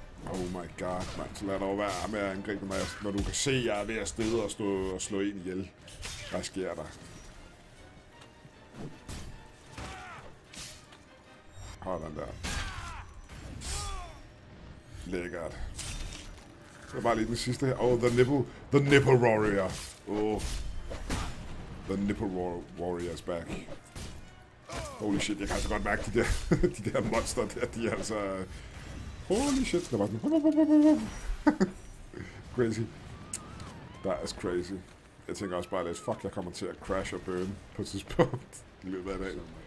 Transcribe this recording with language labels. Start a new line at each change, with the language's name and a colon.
English: Oh my god,
Danish: mand. Så lad dig over være med at angribe mig, når du kan se, at jeg er ved at stede og slå en ihjel. Hvad sker der? Hold den der. Lækkert. Så bare lige den sidste her.
English: Oh, the nipple warrior. Oh. The nipple warrior's back. Holy shit,
Danish: jeg kan altså godt mærke de der, de der monster der. De er altså...
English: Holy shit,
Danish: der var sådan... crazy.
English: That is crazy.
Danish: Jeg tænker også bare lidt, fuck, jeg kommer til at crash og burn på et tidspunkt. I løbet af dagen.